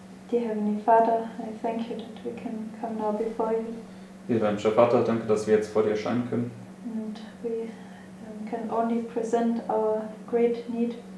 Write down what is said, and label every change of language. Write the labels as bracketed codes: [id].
[en] Dear Heavenly Father, I thank you that we can come now before you. [de] Lieber himmlischer Vater, danke, dass wir jetzt vor dir erscheinen können. [en] And we can only present our great need.